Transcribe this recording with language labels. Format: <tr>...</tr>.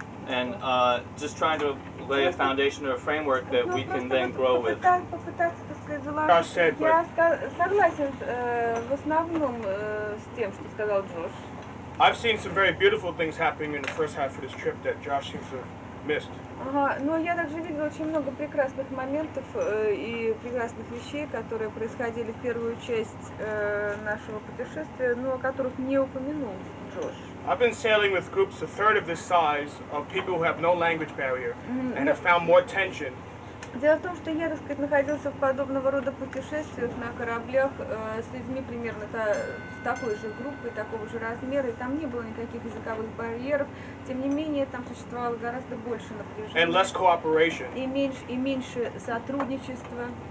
<en>And just trying to lay a foundation or a framework that we can then grow with.</en> <ru>Согласен в основном с тем, что сказал Джош.</ru> <en>I've seen some very beautiful things happening in the first half of this trip that Josh seems to have missed.</en> <ru>Но я также видела очень много прекрасных моментов и прекрасных вещей, которые происходили в первую часть нашего путешествия, но о которых не упомянул Джош.</ru> <en>I've been sailing with groups a third of this size of people who have no language barrier and have found more tension.</en> <ru>Дело в том, что я, так сказать, находился в подобного рода путешествиях на кораблях с людьми примерно такой же группы, такого же размера, и там не было никаких языковых барьеров. Тем не менее, там существовало гораздо больше напряжения.</ru> <en>And less cooperation.</en> <ru>И меньше сотрудничества.</ru>